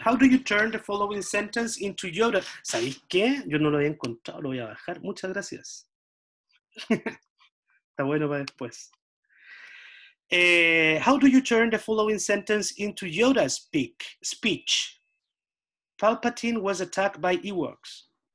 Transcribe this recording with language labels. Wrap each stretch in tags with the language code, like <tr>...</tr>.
<en>How do you turn the following sentence into Yoda?</en> <es>¿Sabéis qué? Yo no lo había encontrado, lo voy a bajar. Muchas gracias. Está bueno para después.</es> <en>How do you turn the following sentence into Yoda speech? Palpatine was attacked by Ewoks.</en>